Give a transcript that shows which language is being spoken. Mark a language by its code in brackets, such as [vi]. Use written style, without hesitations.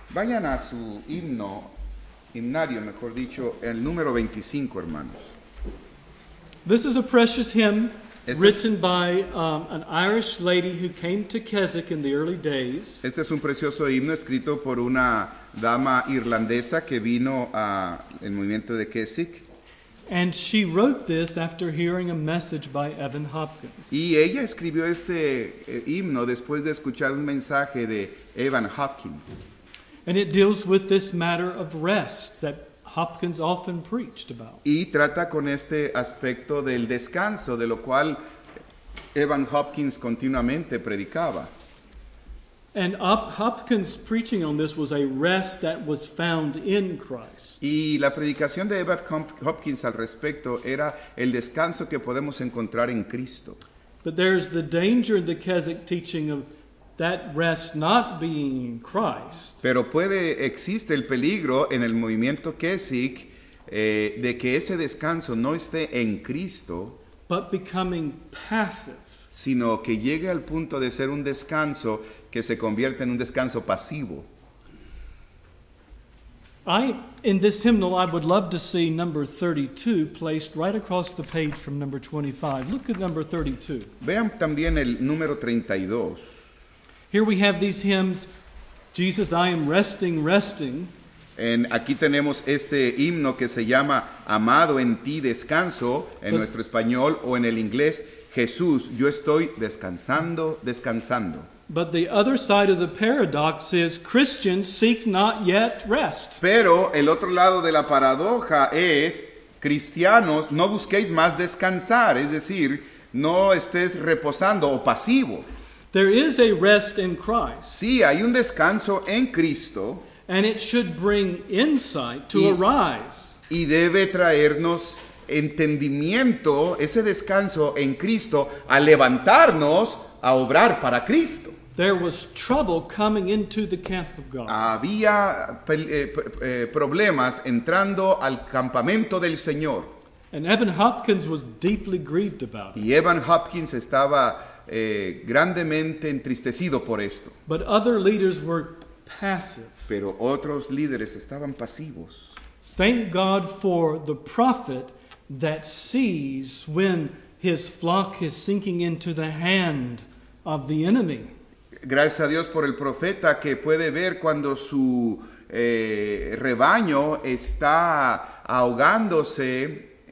[es] Vayan a su himno. Himnario, mejor dicho, el número 25, hermanos. [en] This is a precious hymn written by an Irish lady who came to Keswick in the early days. [es] Este es un precioso himno escrito por una dama irlandesa que vino al movimiento de Keswick. [en] And she wrote this after hearing a message by Evan Hopkins. [es] Y ella escribió este himno después de escuchar un mensaje de Evan Hopkins. [en] And it deals with this matter of rest that Hopkins often preached about. [es] Y trata con este aspecto del descanso, de lo cual Evan Hopkins continuamente predicaba. [en] And Hopkins' preaching on this was a rest that was found in Christ. [es] Y la predicación de Evan Hopkins al respecto era el descanso que podemos encontrar en Cristo. [en] But there's the danger in the Keswick teaching of that rest not being in Christ. [es] Pero existe el peligro en el movimiento Keswick de que ese descanso no esté en Cristo, [en] but becoming passive. [es] Sino que llegue al punto de ser un descanso que se convierte en un descanso pasivo. [en] In this hymnal, I would love to see number 32 placed right across the page from number 25. Look at number 32. [es] Vean también el número 32. [en] Here we have these hymns, "Jesus, I am resting, resting." [es] En aquí tenemos este himno que se llama "Amado en ti descanso" en nuestro español o en el inglés, "Jesús, yo estoy descansando, descansando." [en] But the other side of the paradox is Christians seek not yet rest. [es] Pero el otro lado de la paradoja es cristianos no busquéis más descansar, es decir, no estés reposando o pasivo. [en] There is a rest in Christ. [es] Sí, hay un descanso en Cristo. [en] And it should bring insight to arise. [es] Y debe traernos entendimiento, ese descanso en Cristo, a levantarnos a obrar para Cristo. [en] There was trouble coming into the camp of God. [es] Había problemas entrando al campamento del Señor. [en] And Evan Hopkins was deeply grieved about it. [es] Y Evan Hopkins estaba grandemente entristecido por esto. [en] But other leaders were passive. [es] Pero otros líderes estaban pasivos. [en] Thank God for the prophet that sees when his flock is sinking into the hand of the enemy. [es] Gracias a Dios por el profeta que puede ver cuando su rebaño está ahogándose.